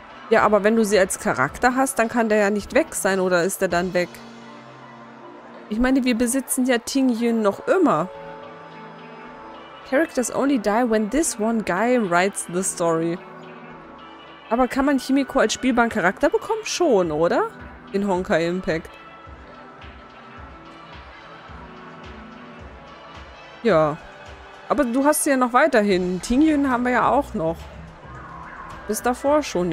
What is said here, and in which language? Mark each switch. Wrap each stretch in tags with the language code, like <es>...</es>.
<de>Ja, aber wenn du sie als Charakter hast, dann kann der ja nicht weg sein, oder ist er dann weg? Ich meine, wir besitzen ja Ting Yun noch immer.</de> <en>Characters only die when this one guy writes the story.</en> <de>Aber kann man Chimiko als spielbaren Charakter bekommen? Schon, oder? In Honkai Impact. Ja. Aber du hast sie ja noch weiterhin. Ting Yun haben wir ja auch noch. Bis davor schon.</de>